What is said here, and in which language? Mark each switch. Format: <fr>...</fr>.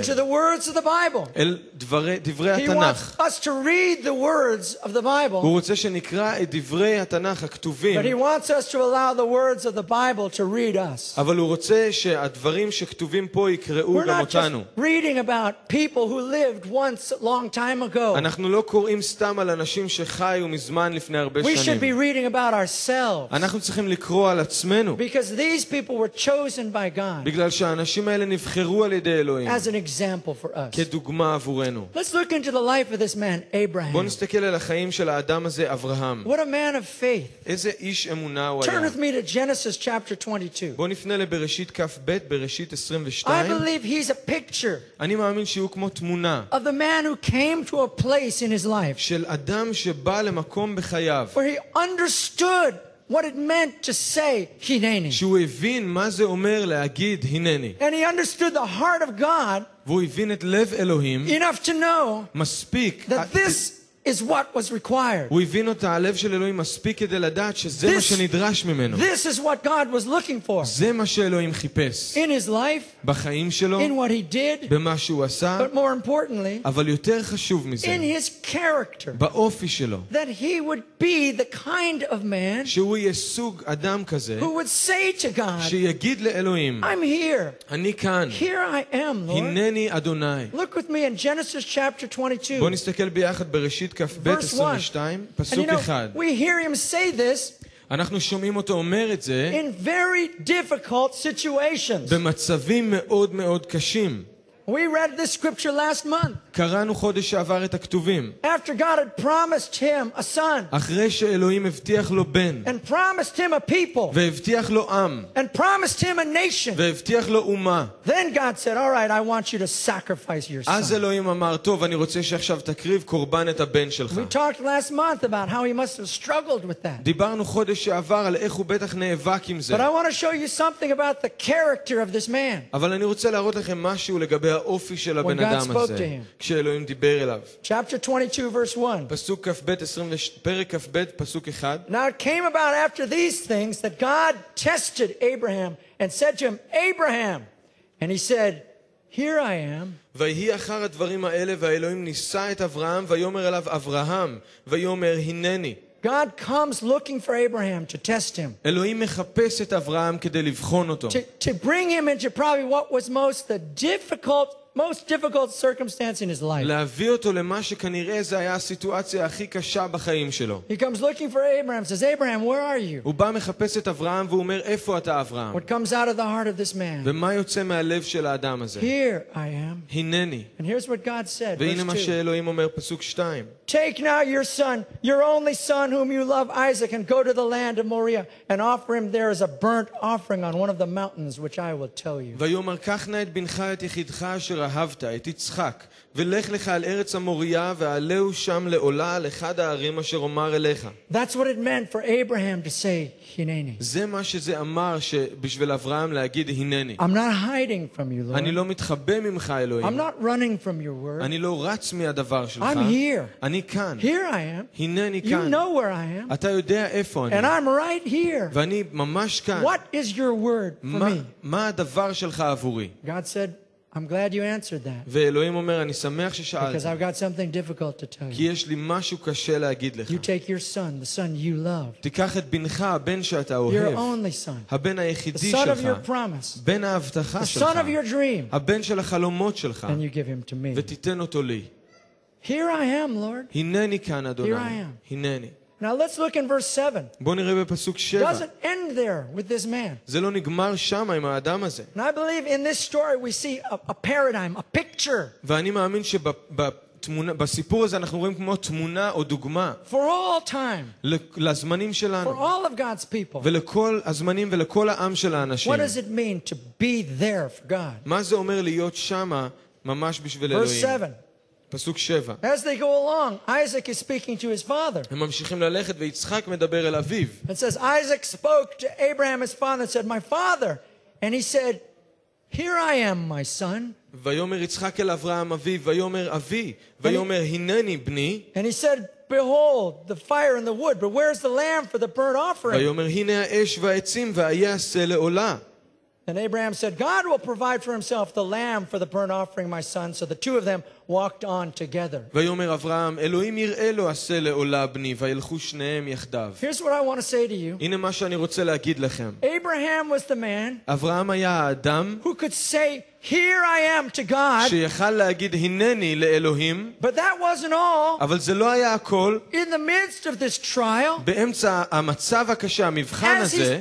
<en>Into the words of the Bible.</en> <he>אל דברי התנ"ך.</he> <en>He wants us to read the words of the Bible.</en> <he>הוא רוצה שנקרא את דברי התנ"ך הכתובים.</he> <en>But he wants us to allow the words of the Bible to read us.</en> <he>אבל הוא רוצה שהדברים שכתובים פה יקראו גם אותנו.</he> <en>We're not reading about people who lived once long time ago.</en> <he>אנחנו לא קוראים סתם על אנשים שחיו מזמן לפני הרבה שנים.</he> <en>We should be reading about ourselves.</en> <he>אנחנו צריכים לקרוא על עצמנו.</he> <en>Because these people were chosen by God.</en> <he>בגלל שאנשים האלה נבחרו על ידי אלוהים.</he> <en>As an example for us.</en> <he>כדוגמה עבורנו.</he> <en>Let's look into the life of this man, Abraham.</en> <he>בוא נסתכל על החיים של האדם הזה, אברהם.</he> <en>What a man of faith.</en> <he>איזה איש אמונה הוא היה.</he> <en>Turn with me to Genesis chapter 22.</en> <he>בוא נפנה לבראשית כ"ב, בראשית 22.</he> <en>I believe he's a picture.</en> <he>אני מאמין שהוא כמו תמונה.</he> <en>Of the man who came to a place in his life.</en> <he>של אדם שבא למקום בחייו.</he> <en>Where he understood what it meant to say hineni</en> <he>שהוא הבין מה זה אומר להגיד הנני</he> <en>and he understood the heart of God</en> <he>והוא הבין את לב אלוהים</he> <en>enough to know</en> <he>מספיק</he> <en>that this is what was required</en> <he>והוא הבין את הלב של אלוהים מספיק כדי לדעת שזה מה שנדרש ממנו</he> <en>this is what God was looking for</en> <he>זה מה שאלוהים חיפש</he> <en>in his life</en> <he>בחיים שלו</he> <en>in what he did</en> <he>במה שהוא עשה</he> <en>but more importantly</en> <he>אבל יותר חשוב מזה</he> <en>in his character</en> <he>באופי שלו</he> <en>that he would be the kind of man</en> <he>שהוא יהיה סוג אדם כזה</he> <en>who would say to God</en> <he>שיגיד לאלוהים</he> <en>I'm here</en> <he>אני כאן</he> <en>here I am Lord</en> <he>הנני אדוני</he> <en>look with me in Genesis chapter 22</en> <he>בוא נסתכל ביחד בראשית כ"ב 22 פסוק 1</he> <en>we hear him say this</en> <he>אנחנו שומעים אותו אומר את זה</he> <en>in very difficult situations</en> <he>במצבים מאוד מאוד קשים</he> <en>We read this scripture last month.</en> <he>קראנו חודש שעבר את הכתובים.</he> <en>After God had promised him a son.</en> <he>אחרי שאלוהים הבטיח לו בן.</he> <en>And promised him a people.</en> <he>והבטיח לו עם.</he> <en>And promised him a nation.</en> <he>והבטיח לו אומה.</he> <en>Then God said, "All right, I want you to sacrifice your son."</en> <he>אז אלוהים אמר, "טוב, אני רוצה שעכשיו תקריב קורבן את הבן שלך."</he> <en>We talked last month about how he must have struggled with that.</en> <he>דיברנו חודש שעבר על איך הוא בטח נאבק עם זה.</he> <en>But I want to show you something about the character of this man.</en> <he>אבל אני רוצה להראות לכם משהו לגבי האופי של הבן אדם הזה כשאלוהים דיבר אליו</he> <en>chapter 22 verse 1</en> <he>פסוק כ"ב 22 פרק כ"ב פסוק 1</he> <en>now it came about after these things that God tested Abraham and said to him Abraham and he said here I am</en> <he>ויהי אחר הדברים האלה והאלוהים ניסה את אברהם ויאמר אליו אברהם ויאמר הנני</he> <en>God comes looking for Abraham to test him.</en> <he>אלוהים מחפש את אברהם כדי לבחון אותו.</he> <en>To bring him into probably what was most the difficult most difficult circumstance in his life.</en> <he>להביא אותו למה שכנראה זה היה הסיטואציה הכי קשה בחיים שלו.</he> <en>He comes looking for Abraham, says, Abraham, where are you?</en> <he>הוא בא מחפש את אברהם ואומר, איפה אתה, אברהם?</he> <en>What comes out of the heart of this man?</en> <he>ומה יוצא מהלב של האדם הזה?</he> <en>Here I am.</en> <he>הנני.</he> <en>And here's what God said.</en> <he>והנה מה שאלוהים אומר, פסוק 2.</he> <en>Take now your son, your only son whom you love, Isaac, and go to the land of Moriah and offer him there as a burnt offering on one of the mountains which I will tell you.</en> <he>ויאמר קח נא את בנך את יחידך אשר אהבת את יצחק ולך לך אל ארץ המוריה ועלהו שם לעולה לאחד הערים אשר אומר אליך.</he> <en>That's what it meant for Abraham to say hineni.</en> <he>זה מה שזה אמר שבשביל אברהם להגיד הנני.</he> <en>I'm not hiding from you, Lord.</en> <he>אני לא מתחבא ממך, אלוהים.</he> <en>I'm not running from your word.</en> <he>אני לא רץ מהדבר שלך.</he> <en>I'm here.</en> <he>אני כאן.</he> <en>Here I am.</en> <he>הנני כאן.</he> <en>You know where I am.</en> <he>אתה יודע איפה אני.</he> <en>And I'm right here.</en> <he>ואני ממש כאן.</he> <en>What is your word for me?</en> <he>מה הדבר שלך עבורי?</he> <en>God said, I'm glad you answered that.</en> <he>ואלוהים אומר, אני שמח ששאלת.</he> <en>Because I've got something difficult to tell you.</en> <he>כי יש לי משהו קשה להגיד לך.</he> <en>You take your son, the son you love.</en> <he>תיקח את בנך, הבן שאתה אוהב.</he> <en>Your only son.</en> <he>הבן היחידי שלך.</he> <en>The son of your promise.</en> <he>בן ההבטחה שלך.</he> <en>The son of your dream.</en> <he>הבן של החלומות שלך.</he> <en>And you give him to me.</en> <he>ותיתן אותו לי.</he> <en>Here I am, Lord.</en> <he>הנני כאן, אדוני.</he> <en>Here I am.</en> <he>הנני.</he> <en>Now let's look in verse 7.</en> <he>בוא נראה בפסוק 7.</he> <en>Doesn't end there with this man.</en> <he>זה לא נגמר שם עם האדם הזה.</he> <en>And I believe in this story we see a paradigm, a picture.</en> <he>ואני מאמין שבתמונה בסיפור הזה אנחנו רואים כמו תמונה או דוגמה.</he> <en>For all time.</en> <he>לזמנים שלנו.</he> <en>For all of God's people.</en> <he>ולכל הזמנים ולכל העם של האנשים.</he> <en>What does it mean to be there for God?</en> <he>מה זה אומר להיות שם ממש בשביל אלוהים?</he> <en>Verse 7.</en> <he>פסוק 7.</he> <en>As they go along, Isaac is speaking to his father.</en> <he>הם ממשיכים ללכת ויצחק מדבר אל אביו.</he> <en>And says, Isaac spoke to Abraham his father and said, "My father." And he said, "Here I am, my son."</en> <he>ויאמר יצחק אל אברהם אביו, ויאמר אבי, ויאמר הנני בני.</he> <en>And he said, "Behold the fire and the wood, but where is the lamb for the burnt offering?"</en> <he>ויאמר הנה האש והעצים והיה עשה לעולה.</he> <en>And Abraham said, "God will provide for himself the lamb for the burnt offering, my son." So the two of them walked on together.</en> <he>ויאמר אברהם, אלוהים יראה לו עשה לעולה בני, וילכו שניהם יחדיו.</he> <en>Here's what I want to say to you.</en> <he>הנה מה שאני רוצה להגיד לכם.</he> <en>Abraham was the man.</en> <he>אברהם היה האדם.</he> <en>Who could say, "Here I am to God."</en> <he>שיכל להגיד הנני לאלוהים.</he> <en>But that wasn't all.</en> <he>אבל זה לא היה הכל.</he> <en>In the midst of this trial.</en> <he>באמצע המצב הקשה, המבחן הזה.</he>